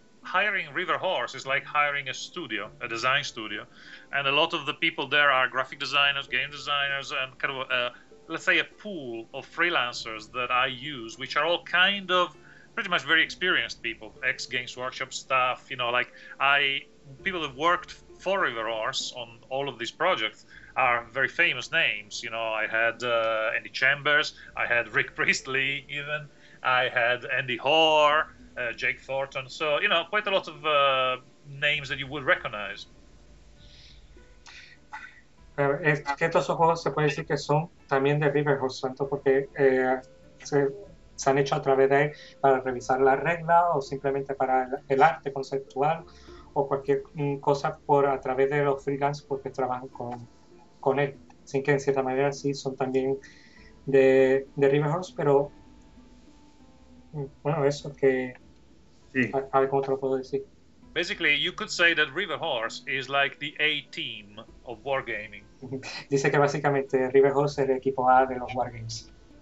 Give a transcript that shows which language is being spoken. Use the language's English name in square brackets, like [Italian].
[English] hiring River Horse is like hiring a studio, a design studio, and a lot of the people there are graphic designers, game designers, and kind of a, let's say, a pool of freelancers that I use, which are all kind of pretty much very experienced people, ex-Games Workshop staff, you know, like I, people that worked for River Horse on all of these projects are very famous names. You know, I had Andy Chambers, I had Rick Priestley even, I had Andy Hoare, Jake Thornton. So, you know, quite a lot of names that you would recognize. [Spanish] Es que estos juegos se puede decir que son también de River Horse, tanto porque se han hecho a través de para revisar la regla o simplemente para el arte conceptual o cualquier cosa por a través de los freelance porque trabajan con él. Así que en cierta manera sí son también de River Horse, pero bueno, eso que sí. A ver cómo te lo puedo decir. [English] Basically, you could say that River Horse is like the A team of wargaming. [Spanish] Dice que básicamente River Horse es el equipo A de los wargames.